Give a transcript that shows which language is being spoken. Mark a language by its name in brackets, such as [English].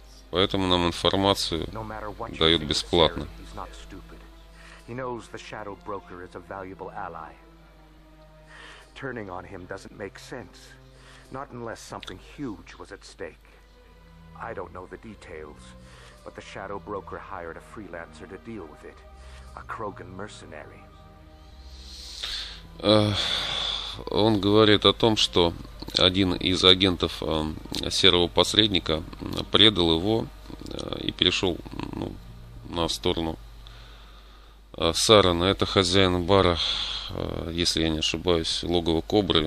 [Russian] Поэтому нам информацию дают бесплатно. [English] Not stupid. He knows the Shadow Broker is a valuable ally. Turning on him doesn't make sense. Not unless something huge was at stake. I don't know the details, but the Shadow Broker hired a freelancer to deal with it. A Krogan mercenary. [Russian] Он говорит о том, что один из агентов серого посредника предал его и перешел на сторону Сарен. Это хозяин бара, если я не ошибаюсь, логово Кобры.